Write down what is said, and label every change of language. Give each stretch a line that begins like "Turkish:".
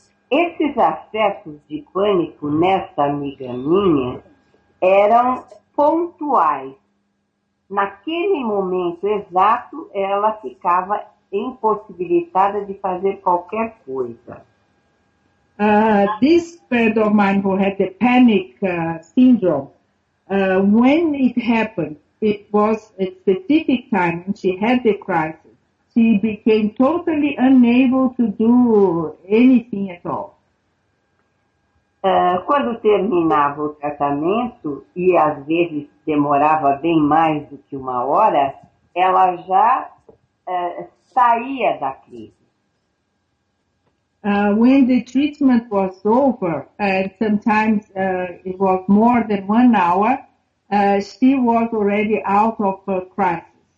Portuguese: Esses acessos de pânico nessa amiga minha eram pontuais. Naquele momento exato, ela ficava impossibilitada de fazer qualquer coisa.
English: This friend of mine who had the panic syndrome, when it happened, it was a specific time when she had the crisis. She became totally unable to do anything at all.
Portuguese: Quando terminava o tratamento, e às vezes demorava bem mais do que uma hora, ela já saía da crise.
English: When the treatment was over, and sometimes it was more than one hour, she was already out of her crisis.